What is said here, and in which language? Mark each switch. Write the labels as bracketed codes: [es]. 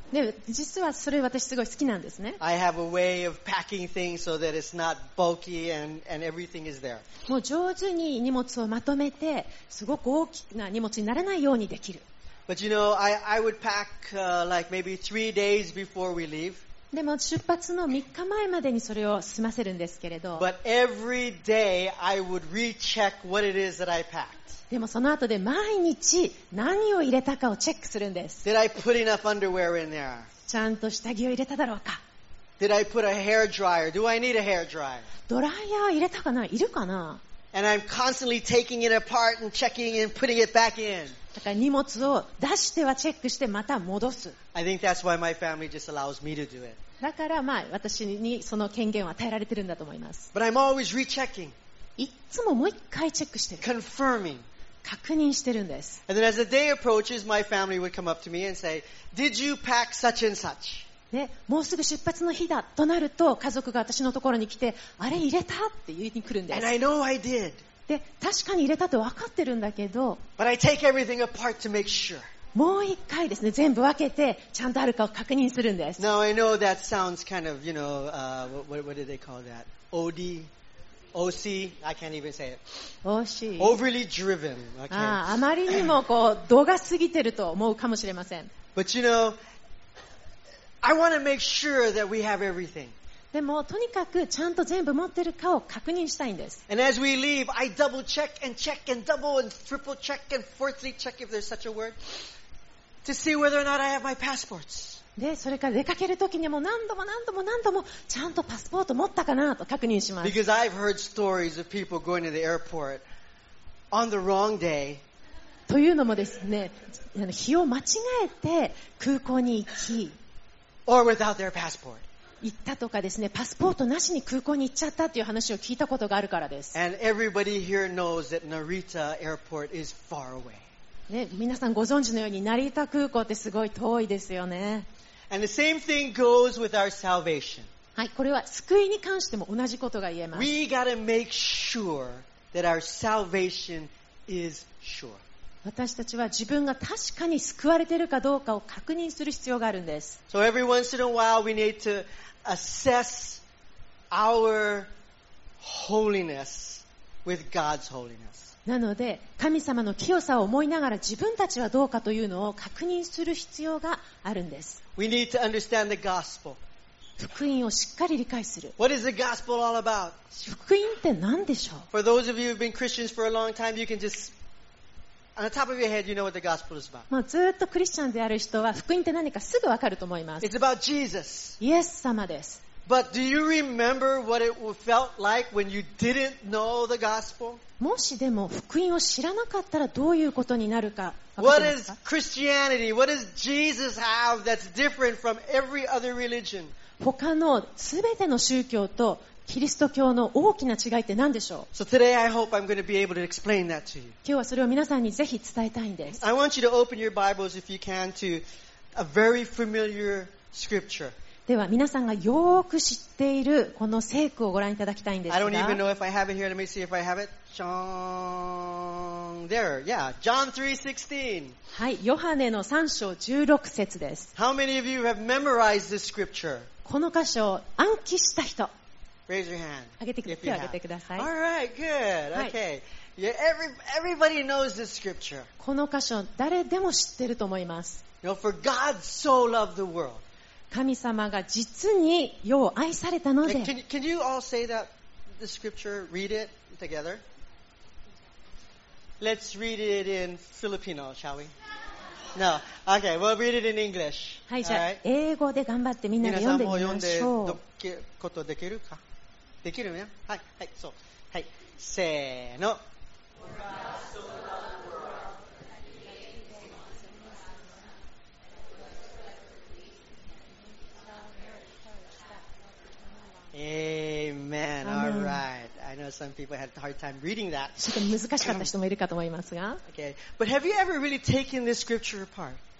[ja] で、実はそれ私すごい好きなんですね。 [en] I have a way of packing things so that it's not bulky and everything is there. [ja] もう上手に荷物をまとめて、すごく大きな荷物にならないようにできる。 [en] But you know, I would pack, like maybe 3 days before we leave. [ja] でも出発の3日前までにそれを済ませるんですけれど。 [en] But every day I would recheck what it is that I packed. [ja] でもその後で毎日何を入れたかをチェックするんです。 [en] Did I put enough underwear in there? [ja] ちゃんと下着を入れただろうか。 [en] Did I put a hair dryer? Do I need a hair dryer? [ja] ドライヤー入れたかな? いるかな? [en] And I'm constantly taking it apart and checking and putting it back in. [ja] だから荷物を出してはチェックしてまた戻す。 [en] I think that's why my family just allows me to do it. [ja] だからまあ私にその権限を与えられてるんだと思います。 [en] But I'm always rechecking. [ja] いつももう一回チェックしてる。 [en] Confirming. [ja] 確認してるんです。 [en] And then as the day approaches, my family would come up to me and say, "Did you pack such and such?" [ja] で、もうすぐ出発の日だとなると家族が私のところに来て、あれ入れた?って言いに来るんです。 [en] And I know I did. [ja] で確かに入れたと分かってるんだけど、 [en] But I take everything apart to make sure. [ja] もう一回ですね、全部分けてちゃんとあるかを確認するんです。 [en] Now I know that sounds kind of, you know, what do they call that? OD? OC? I can't even say it. OC? Overly driven. Okay. [ja] あまりにもこう度が過ぎてると思うかもしれません。 [en] But you know, I want to make sure that we have everything. [ja] でもとにかくちゃんと全部持ってるかを確認したいんです。 [en] And as we leave, I double check and check and double and triple check and fourthly check if there's such a word to see whether or not I have my passports. [ja] で、それから出かけるときにも何度も何度も何度もちゃんとパスポート持ったかなと確認します。 [en] Because I've heard stories of people going to the airport on the wrong day. [ja] というのもですね、日を間違えて空港に行き、 [en] or without their passport. [ja] 行ったとかですね、パスポートなしに空港に行っちゃったっていう話を聞いたことがあるからです。 [en] And everybody here knows that Narita Airport is far away. [ja] ね、皆さんご存知のように成田空港ってすごい遠いですよね。 [en] And the same thing goes with our salvation. [ja] はい、これは救いに関しても同じことが言えます。 [en] We gotta make sure that our salvation is sure. [ja] 私たちは自分が確かに救われているかどうかを確認する必要があるんです。 [en] So every once in a while we need to assess our holiness with God's holiness. [ja] なので神様の清さを思いながら自分たちはどうかというのを確認する必要があるんです。 [en] We need to understand the gospel. [ja] 福音をしっかり理解する。 [en] What is the gospel all about? [ja] 福音って何でしょう。 [en] For those of you who have been Christians for a long time, you can just on the top of your head, you know what the gospel is about. [ja] もうずっとクリスチャンである人は福音って何かすぐわかると思います。 [en] It's about Jesus. [ja] イエス様です。 [en] But do you remember what it felt like when you didn't know the gospel? [ja] もしでも福音を知らなかったらどういうことになるか。 [en] What is Christianity? What does Jesus have that's different from every other religion? [ja] 他のすべての宗教とキリスト教の大きな違いって何でしょう。 [en] So today I hope I'm going to be able to explain that to you. [ja] 今日はそれを皆さんにぜひ伝えたいんです。 [en] I want you to open your Bibles if you can to a very familiar scripture. [ja] では皆さんがよく知っているこの聖句をご覧いただきたいんですが、 [en] I don't even know if I have it here. Let me see if I have it. John, there. Yeah, John 3:16. [ja] はい、ヨハネの3章16節です。 [en] How many of you have memorized this scripture? [ja] この箇所を暗記した人。 [en] Raise your hand. [ja] 手を挙げてください。 [en] All right, good. Okay. Yeah, everybody knows this scripture. [ja] この箇所誰でも知ってると思います。 [en] You know, for God so loved the world. [ja] 神様が実に世を愛されたので。 [en] Can you all say that the scripture? Read it together. Let's read it in Filipino, shall we? No. Okay, we'll read it in English. [ja] はい、じゃあ英語で頑張ってみんなで読んでみましょう。皆さんも読んでことできるか。できるよ。はい、はい、そう。はい、せーの。 [en] Amen. All right. I know some people had a hard time reading that. [ja] ちょっと難しかった人もいるかと思いますが。 [en] Okay. But have you ever really taken this scripture apart?